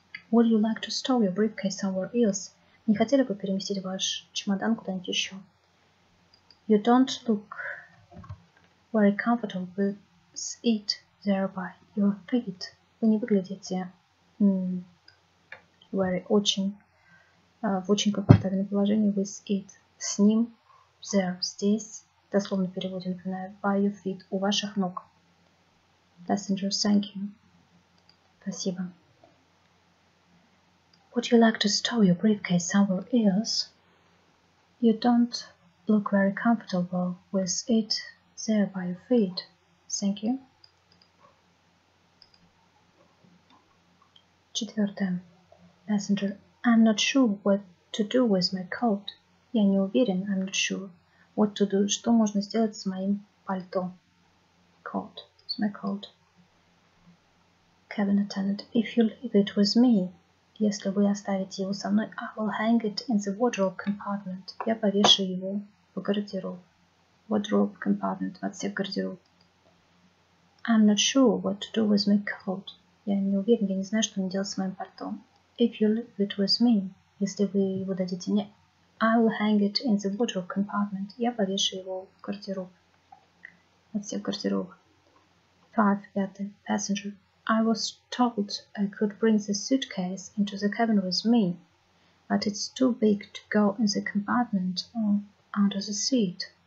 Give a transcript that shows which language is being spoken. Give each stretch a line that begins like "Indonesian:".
English: Would you like to store your briefcase somewhere else?
Russian: Не хотели бы переместить ваш чемодан куда-нибудь еще?
English: You don't look very comfortable with it there by your feet.
Russian: Вы не выглядите очень комфортабельном положении
English: with it.
Russian: С ним. There, здесь, дословно переводим, например,
English: by your feet,
Russian: у ваших ног.
English: Passenger, thank you.
Russian: Спасибо.
English: Would you like to store your briefcase somewhere else? You don't look very comfortable with it there by your feet. Thank you.
Russian: Четвертое.
English: Passenger, I'm not sure what to do with my coat.
Russian: Я не уверен,
English: I'm not sure. What to do?
Russian: Что можно сделать с моим пальто?
English: Coat. It's my coat. Cabin attendant. If you leave it with me.
Russian: Если вы оставите его со мной,
English: I will hang it in the wardrobe compartment.
Russian: Я повешу его в гардероб. Wardrobe compartment. В отсек гардероб.
English: I'm not sure what to do with my coat.
Russian: Я не уверен, я не знаю, что мне делать с моим пальто.
English: If you leave it with me.
Russian: Если вы его дадите мне.
English: I will hang it in the wardrobe compartment.
Russian: Я повешу его в гардероб. От всех гардеробов. Five, пятый. Passenger.
English: I was told I could bring the suitcase into the cabin with me, but it's too big to go in the compartment or under the seat.